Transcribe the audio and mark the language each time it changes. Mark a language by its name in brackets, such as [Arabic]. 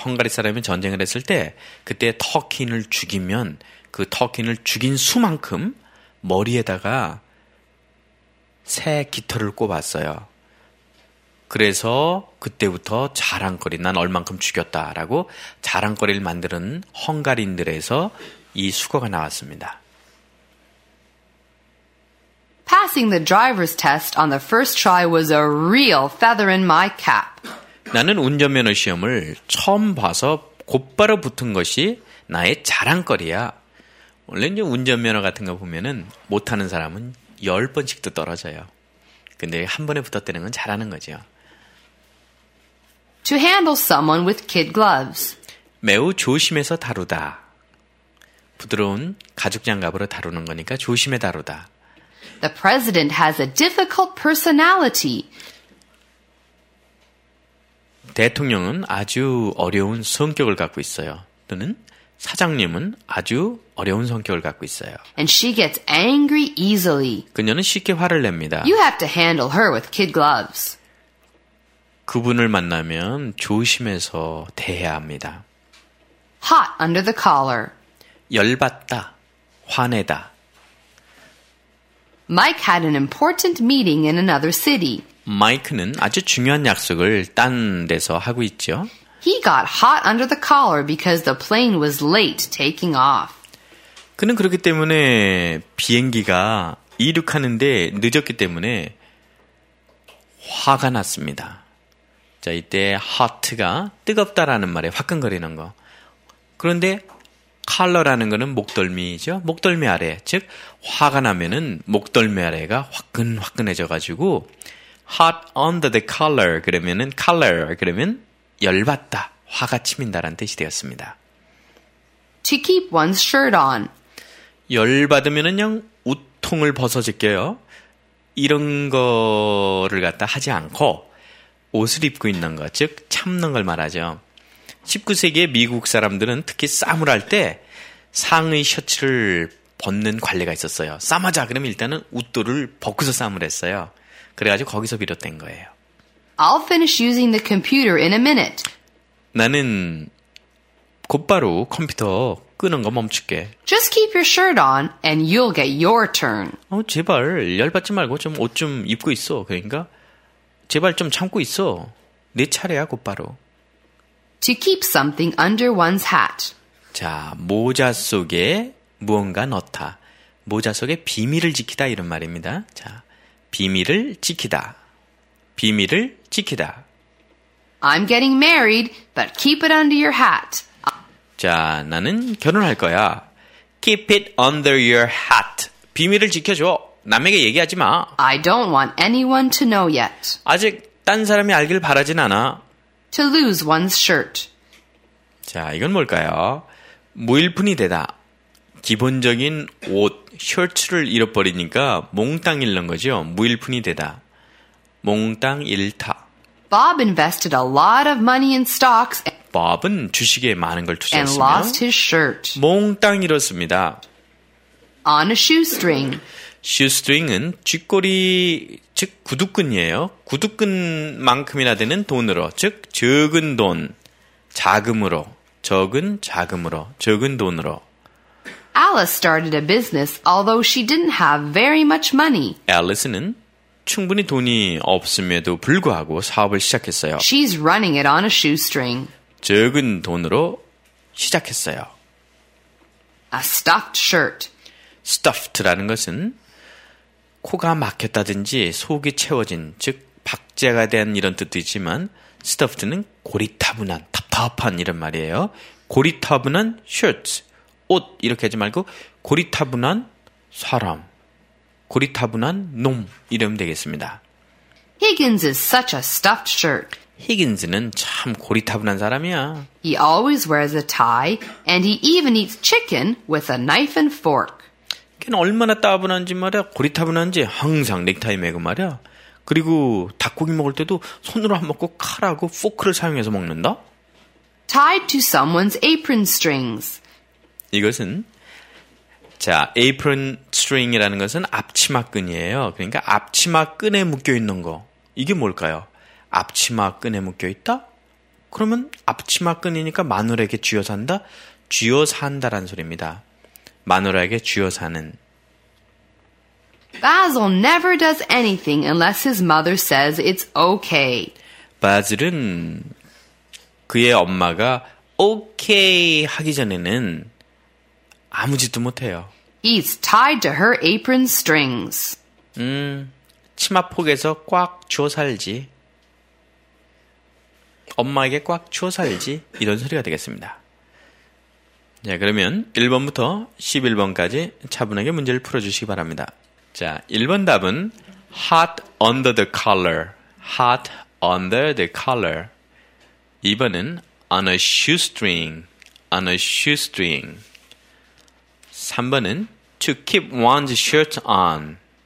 [Korean] 헝가리 사람이 전쟁을 했을 때 그때 터킨을 죽이면 그 터킨을 죽인 수만큼 머리에다가 새 깃털을 꼽았어요. 그래서 그때부터 자랑거리, 난 얼만큼 죽였다라고 자랑거리를 만드는 헝가리인들에서 이 수거가 나왔습니다. [English] Passing the driver's test on the first try was a real feather in my cap. [Korean] 나는 운전면허 시험을 처음 봐서 곧바로 붙은 것이 나의 자랑거리야. 원래 이제 운전면허 같은 거 보면은 못하는 사람은 열 번씩도 떨어져요. 근데 한 번에 붙었다는 건 잘하는 거죠. [English] To handle someone with kid gloves. [Korean] 매우 조심해서 다루다. 부드러운 가죽 장갑으로 다루는 거니까 조심해 다루다. [English] The president has a difficult personality. [Korean] 대통령은 아주 어려운 성격을 갖고 있어요. 또는 사장님은 아주 어려운 성격을 갖고 있어요. [English] And she gets angry easily. [Korean] 그녀는 쉽게 화를 냅니다. [English] You have to handle her with kid gloves. [Korean] 그분을 만나면 조심해서 대해야 합니다. [English] Hot under the collar. [Korean] 열받다, 화내다. [English] Mike had an important meeting in another city. [Korean] 마이크는 아주 중요한 약속을 딴 데서 하고 있죠. [English] He got hot under the collar because the plane was late taking off. [Korean] 그는 그렇기 때문에 비행기가 이륙하는데 늦었기 때문에 화가 났습니다. 자, 이때 hot가 뜨겁다라는 말에 화끈거리는 거. 그런데 컬러라는 거는 목덜미죠. 목덜미 아래, 즉 화가 나면은 목덜미 아래가 화끈화끈해져가지고 [English] hot under the collar [Korean] 그러면은 collar 그러면 열받다, 화가 치민다라는 뜻이 되었습니다. [English] To keep one's shirt on. [Korean] 열받으면은 그냥 우통을 벗어질게요. 이런 거를 갖다 하지 않고 옷을 입고 있는 거, 즉 참는 걸 말하죠. 19세기의 미국 사람들은 특히 싸움을 할 때 상의 셔츠를 벗는 관례가 있었어요. 싸마자 그러면 일단은 웃돌을 벗고서 싸움을 했어요. 그래가지고 거기서 비롯된 거예요. [English] I'll finish using the computer in a minute. [Korean] 나는 곧바로 컴퓨터 끄는 거 멈출게. [English] Just keep your shirt on and you'll get your turn. [Korean] 제발 열받지 말고 좀 옷 좀 입고 있어. 그러니까 제발 좀 참고 있어. 내 차례야 곧바로. [English] To keep something under one's hat. [Korean] 자, 모자 속에 무언가 넣다. 모자 속에 비밀을 지키다 이런 말입니다. 자, 비밀을 지키다. 비밀을 지키다. [English] I'm getting married, but keep it under your hat. [Korean] 자, 나는 결혼할 거야. [English] Keep it under your hat. [Korean] 비밀을 지켜줘. 남에게 얘기하지 마. [English] I don't want anyone to know yet. [Korean] 아직 딴 사람이 알길 바라진 않아. [English] To lose one's shirt. [Korean] 자, 이건 뭘까요? 무일푼이 되다. 기본적인 옷, 셔츠를 잃어버리니까 몽땅 잃는 거죠. 무일푼이 되다. 몽땅 잃다. [English] Bob invested a lot of money in stocks. [Korean] Bob은 주식에 많은 걸 투자했으며 [English] and lost his shirt. [Korean] 몽땅 잃었습니다. [English] On a shoestring. [Korean] Shoestring은 쥐꼬리, 즉 구두끈이에요. 구두끈만큼이나 되는 돈으로, 즉 적은 돈, 자금으로, 적은 자금으로, 적은 돈으로. [English] Alice started a business although she didn't have very much money. [Korean] Alice는 충분히 돈이 없음에도 불구하고 사업을 시작했어요. [English] She's running it on a shoestring. [Korean] 적은 돈으로 시작했어요. A stuffed shirt. Stuffed라는 것은 코가 막혔다든지 속이 채워진, 즉 박제가 된 이런 뜻도 있지만 stuffed는 고리타분한, 답답한 이런 말이에요. 고리타분한 shirts, 옷 이렇게 하지 말고 고리타분한 사람, 고리타분한 놈 이러면 되겠습니다. [English] Higgins is such a stuffed shirt. [Korean] Higgins는 참 고리타분한 사람이야. [English] He always wears a tie and he even eats chicken with a knife and fork. [Korean] 걔는 얼마나 따분한지 말이야, 고리타분한지 항상 넥타이 매고 말이야. 그리고 닭고기 먹을 때도 손으로 안 먹고 칼하고 포크를 사용해서 먹는다. [English] Tied to someone's apron strings. [Korean] 이것은 자, apron string이라는 것은 앞치마끈이에요. 그러니까 앞치마끈에 묶여있는 거. 이게 뭘까요? 앞치마끈에 묶여있다? 그러면 앞치마끈이니까 마누라에게 쥐어 산다? 쥐어 산다라는 소리입니다. 마누라에게 쥐어 사는. [English] Basil never does anything unless his mother says it's okay. [Korean] 바질은 그의 엄마가 오케이 하기 전에는 아무 짓도 못해요. [English] He's tied to her apron strings. [Korean] 치마 폭에서 꽉 쥐어 살지. 엄마에게 꽉 쥐어 살지. 이런 소리가 되겠습니다. 자, 그러면 1번부터 11번까지 차분하게 문제를 풀어주시기 바랍니다. 자, 1번 답은 [English] hot under the collar. hot under the collar. [Korean] 2번은 [English] on a shoestring. on a shoestring. [Korean] 3번은 [English] to keep one's shirt on.